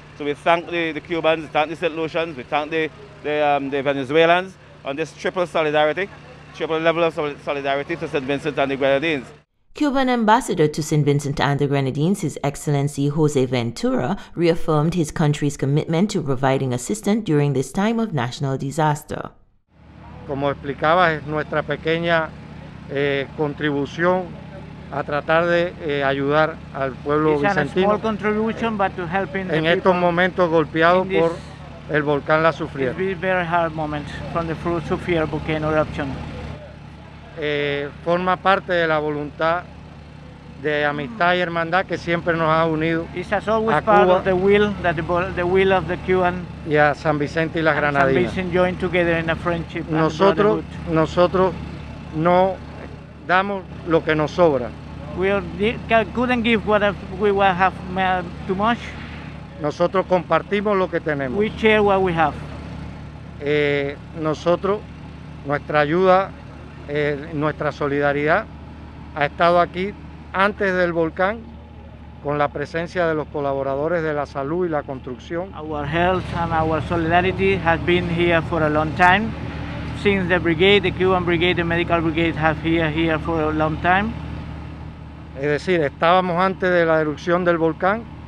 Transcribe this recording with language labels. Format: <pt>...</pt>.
<en>So we thank the Cubans, thank the St. Lucians, we thank the Venezuelans on this triple level of solidarity to St. Vincent and the Grenadines. Cuban Ambassador to St. Vincent and the Grenadines, His Excellency Jose Ventura, reaffirmed his country's commitment to providing assistance during this time of national disaster.</en> <es>Como explicaba, es nuestra pequeña contribución a tratar de ayudar al pueblo vicentino.</es> <en>A small contribution, but to helping</en> <es>en estos momentos golpeados por el volcán La Soufrière.</es> <en>It's been very hard moment from the La Soufrière volcano eruption.</en> <es>Forma parte de la voluntad de amistad y hermandad que siempre nos ha unido.</es> <en>It has always been part of the will that the will of the Cuban</en> <es>y a San Vicente y las Granadinas.</es> <en>San Vicente joined together in a friendship.</en> <es>Nosotros no damos lo que nos sobra.</es> <en>We couldn't give what we have too much.</en> <es>Nosotros compartimos lo que tenemos.</es> <en>We share what we have.</en> <es>Nosotros, nuestra ayuda, nuestra solidaridad ha estado aquí antes del volcán con la presencia de los colaboradores de la salud y la construcción.</es> <en>Our health and our solidarity has been here for a long time. Since the brigade, the Cuban brigade, the medical brigade have here for a long time.</en> <es>Es decir, estábamos antes de la erupción del volcán.</es>